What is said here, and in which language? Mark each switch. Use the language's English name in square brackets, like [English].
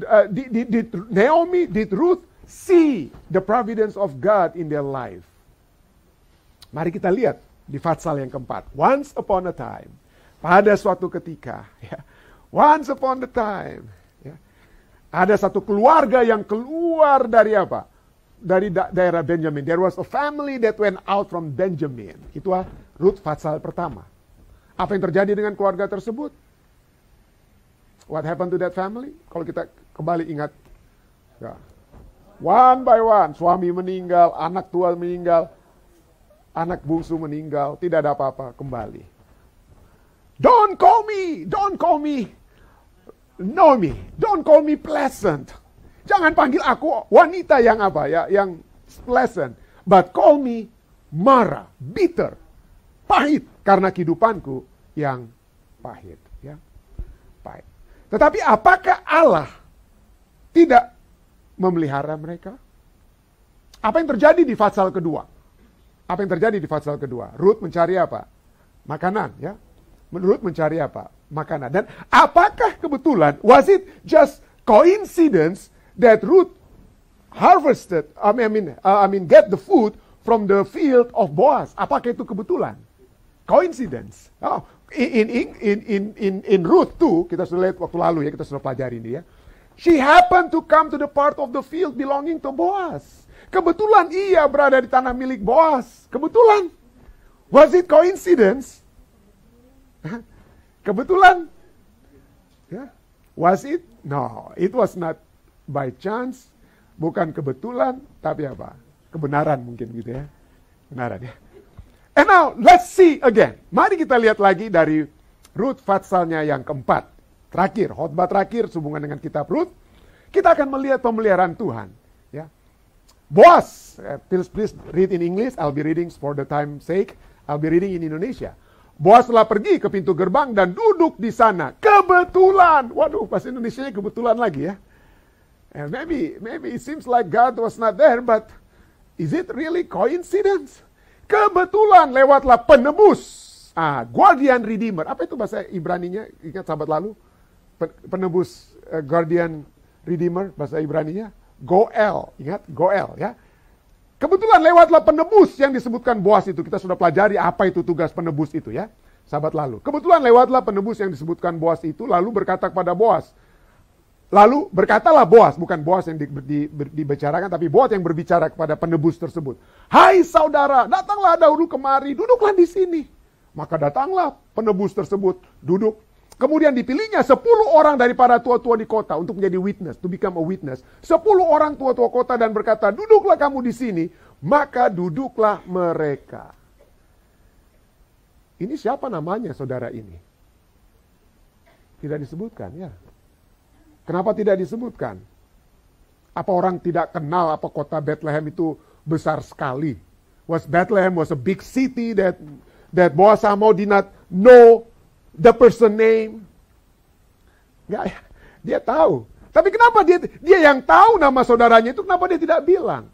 [English] Did Naomi, did Ruth see the providence of God in their life? [Indonesian] Mari kita lihat di pasal yang keempat. [English] Once upon a time. [Indonesian] Pada suatu ketika, ya, [English] once upon a time, [Indonesian] ya, ada satu keluarga yang keluar dari apa? Dari daerah Benjamin. [English] There was a family that went out from Benjamin. [Indonesian] Itulah Ruth pasal pertama. Apa yang terjadi dengan keluarga tersebut? [English] What happened to that family? [Indonesian] Kalau kita kembali ingat. Ya. [English] One by one, [Indonesian] suami meninggal, anak tua meninggal, anak bungsu meninggal, tidak ada apa-apa, kembali. [English] Don't call me Naomi. Don't call me pleasant. [Indonesian] Jangan panggil aku wanita yang apa ya, yang pleasant. [English] But call me Mara, bitter, [Indonesian] pahit, karena kehidupanku yang pahit. Ya, pahit. Tetapi apakah Allah tidak memelihara mereka? Apa yang terjadi di pasal kedua? Apa yang terjadi di pasal kedua? Ruth mencari apa? Makanan, ya. Menurut mencari apa? Makanan. Dan apakah kebetulan, [English] was it just coincidence that Ruth harvested, I mean get the food from the field of Boaz? [Indonesian] Apakah itu kebetulan? Coincidence. Oh, in Ruth 2, kita sudah lihat waktu lalu ya, kita sudah pelajari ini ya. [English] She happened to come to the part of the field belonging to Boaz. [Indonesian] Kebetulan ia berada di tanah milik Boaz. Kebetulan. [English] Was it coincidence? Kebetulan. Yeah. Was it? No, it was not by chance. [Indonesian] Bukan kebetulan, tapi apa? Kebenaran mungkin gitu ya. Kebenaran ya. [English] And now, let's see again. [Indonesian] Mari kita lihat lagi dari Ruth fatsalnya yang keempat. Terakhir, khotbah terakhir sehubungan dengan kitab Ruth. Kita akan melihat pemeliharaan Tuhan. Ya. [English] Boaz, please read in English. I'll be reading for the time sake. I'll be reading in Indonesia. [Indonesian] Boaz telah pergi ke pintu gerbang dan duduk di sana. Kebetulan. Waduh, bahasa Indonesianya kebetulan lagi ya. [English] And maybe it seems like God was not there, but is it really coincidence? [Indonesian] Kebetulan lewatlah penebus. Ah, guardian redeemer. Apa itu bahasa Ibrani-nya? Ingat sahabat lalu? Penebus, guardian redeemer, bahasa Ibrani-nya. Goel, ingat? Goel, ya. Kebetulan lewatlah penebus yang disebutkan Boaz itu. Kita sudah pelajari apa itu tugas penebus itu, ya. Sahabat lalu. Kebetulan lewatlah penebus yang disebutkan Boaz itu, lalu berkata kepada Boaz. Lalu berkatalah Boaz, bukan Boaz yang dibicarakan, tapi Boaz yang berbicara kepada penebus tersebut. Hai saudara, datanglah dahulu kemari, duduklah di sini. Maka datanglah penebus tersebut, duduk. Kemudian dipilihnya 10 orang daripada tua-tua di kota untuk menjadi witness, [English] to become a witness. [Indonesian] 10 orang tua-tua kota dan berkata, duduklah kamu di sini. Maka duduklah mereka. Ini siapa namanya saudara ini? Tidak disebutkan, ya. Kenapa tidak disebutkan? Apa orang tidak kenal apa kota Bethlehem itu besar sekali? [English] Was Bethlehem was a big city that Boaz somehow did not know the person name? [Indonesian] Enggak ya, dia tahu. Tapi kenapa dia yang tahu nama saudaranya itu, kenapa dia tidak bilang?